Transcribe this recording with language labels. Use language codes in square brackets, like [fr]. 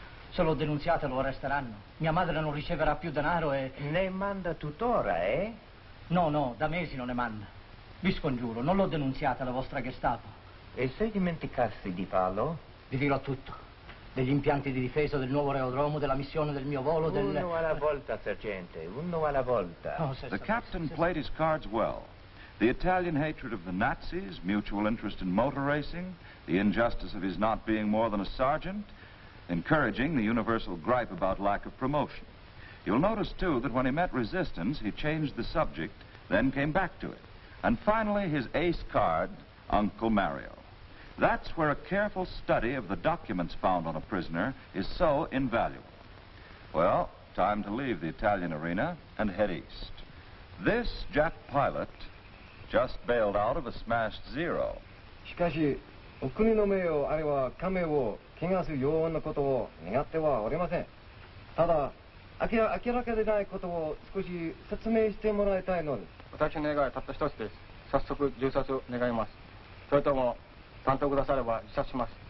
[it] Se lo denunziate lo arresteranno. Mia madre non riceverà più denaro e... Ne manda tuttora, eh? No, no, da mesi non ne manda. Vi scongiuro, non l'ho denunziata la vostra Gestapo. E se dimenticassi di farlo? Vi dirò tutto. Degli impianti di difesa, del nuovo aerodromo, della missione del mio volo, del... Uno alla volta, sergente, uno alla volta. [en] No, se the captain played his cards well. The Italian hatred of the Nazis, mutual interest in motor racing, the injustice of his not being more than a sergeant, encouraging the universal gripe about lack of promotion. You'll notice, too, that when he met resistance, he changed the subject, then came back to it. And finally, his ace card, Uncle Mario. That's where a careful study of the documents found on a prisoner is so invaluable. Well, time to leave the Italian arena and head east. This Jap pilot just bailed out of a smashed Zero. [ja] しかし、お国の名誉あるいは家名を汚す要因のことを願ってはおりません。ただ、明らかでないことを少し説明してもらいたいのです。私の願いはたった一つです。早速、銃殺を願います。それとも、担当くだされば自殺します。